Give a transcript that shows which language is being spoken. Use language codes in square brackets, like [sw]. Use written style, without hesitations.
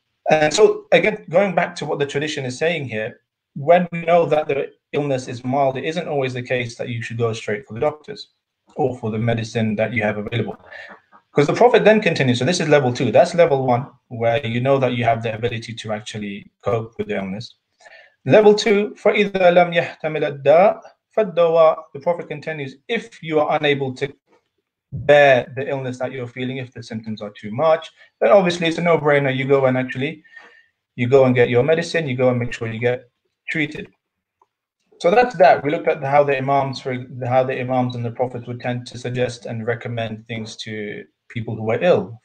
[en] And so, again, going back to what the tradition is saying here, when we know that the illness is mild, it isn't always the case that you should go straight for the doctors or for the medicine that you have available. Because the Prophet then continues, so this is level two. That's level one, where you know that you have the ability to actually cope with the illness. Level two, [ar] فَإِذَا لَمْ يَحْتَمِلَ الدَّاءَ فَالدَّوَاءَ. [en] The Prophet continues, if you are unable to bear the illness that you're feeling, if the symptoms are too much, then obviously it's a no-brainer. You go and get your medicine, you go and make sure you get treated. So that's that. We looked at how the Imams and the Prophets would tend to suggest and recommend things to people who are ill.